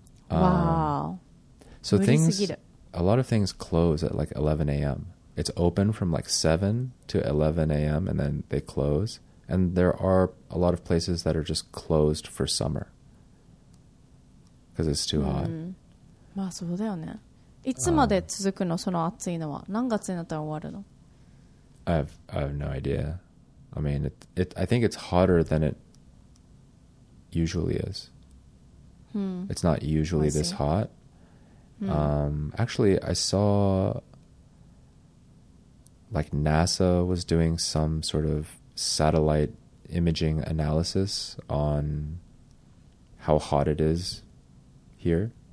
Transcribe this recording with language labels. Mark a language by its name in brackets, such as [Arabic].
[English] Yeah. Wow. So a lot of things close at like 11 a.m. It's open from like 7 to 11 a.m. and then they close. And there are a lot of places that are just closed for summer. Because it's too hot. [Japanese] まあそうだよね。いつまで続くのその暑いのは何月になったら終わるの [English] I have no idea. I mean, I think it's hotter than it usually is. It's not usually this hot. Actually, I saw like NASA was doing some sort of satellite imaging analysis on how hot it is here.